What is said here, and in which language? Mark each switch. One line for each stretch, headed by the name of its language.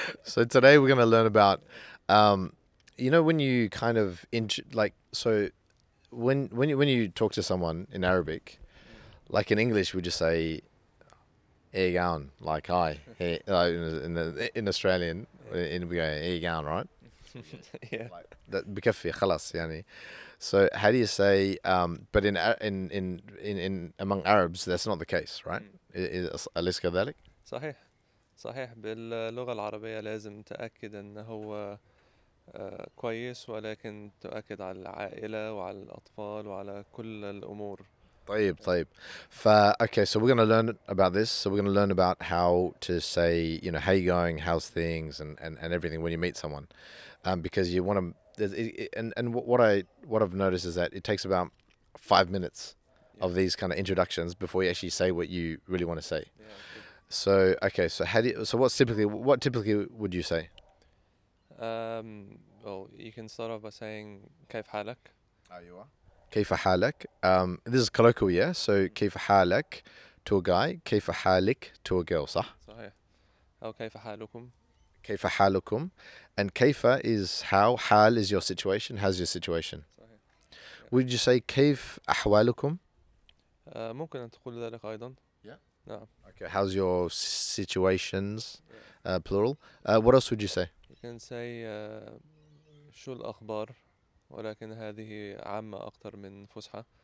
English: So today we're going to learn about, you know, when you kind of when you talk to someone in Arabic, like in English, we just say, "Egan," like hi. In Australian, we go "Egan," right? Yeah.
Arabic: بكفي خلاص يعني.
English: So how do you say? But in among Arabs, that's not the case, right?
Arabic: أليس كذلك؟ صحيح صحيح باللغة العربية لازم تأكد أنه هو كويس ولكن تؤكد على العائلة وعلى الأطفال وعلى كل الأمور. طيب طيب.
English: Okay, so we're gonna learn about this. So we're gonna learn about how to say, you know, how you going, how's things, and everything when you meet someone, because you want to. What I've noticed is that it takes about 5 minutes of these kind of introductions before you actually say what you really want to say. So what typically would you say? Well, you can start off by saying
Arabic: كيف حالك.
English: How you are?
Arabic: كيف حالك.
English: This is colloquial, yeah. So كيف حالك to a guy, كيف حالك to a girl,
Arabic: صح. صحيح. أو كيف حالكم. كيف حالكم.
English: And كيف is how, حال is your situation, how's your situation.
Arabic: صحيح.
English: Would you say
Arabic: كيف أحوالكم؟ ممكن أن تقول ذلك أيضا.
English: Yeah.
Arabic: نعم.
English: Okay. How's your situations, yeah. Plural. What else would you say? You can say
Arabic: شو الأخبار, ولكن هذه عامة أكثر من فصحى.